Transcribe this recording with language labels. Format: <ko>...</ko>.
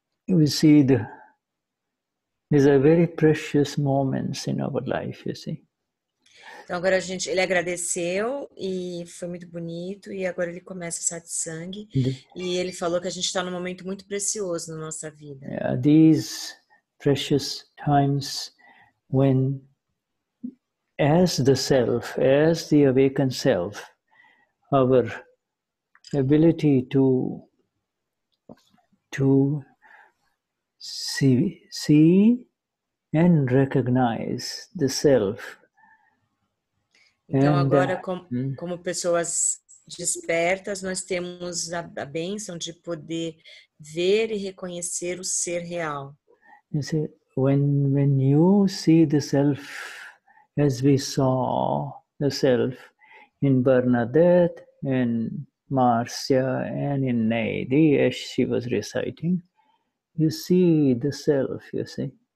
<en>We see the, these are very precious moments in our life, you see.</en> <pt>Então agora a gente, ele agradeceu e foi muito bonito e agora ele começa a satsang e ele falou que a gente está num momento muito precioso na nossa vida.</pt> <en>Yeah, these precious times when as the self, as the awakened self, our ability to see and recognize the self.</en> <pt>Então, agora, como pessoas despertas, nós temos a bênção de poder ver e reconhecer o ser real.</pt> <en>You see, when you see the self, as we saw the self in Bernadette, in Marcia, and in Nadi, as she was reciting, you see the self, you see.</en>